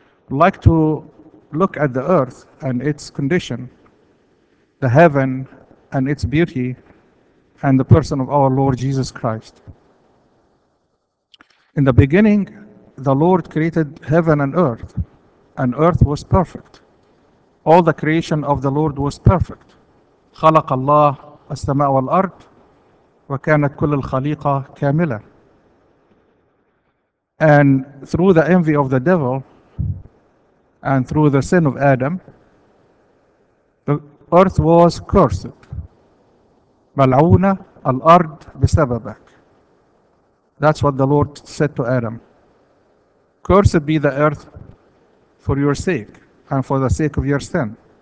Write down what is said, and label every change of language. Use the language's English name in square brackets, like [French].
[English] I'd like to look at the earth and its condition, the heaven and its beauty, and the person of our Lord Jesus Christ. In the beginning, the Lord created heaven and earth was perfect. All the creation of the Lord was perfect. [Arabic] خلق الله السماء والأرض وكانت كل الخليقة كاملة. [English] And through the envy of the devil and through the sin of Adam, the earth was cursed. [Arabic] ملعونة الأرض بسببك. [English] That's what the Lord said to Adam. Cursed be the earth for your sake and for the sake of your sin.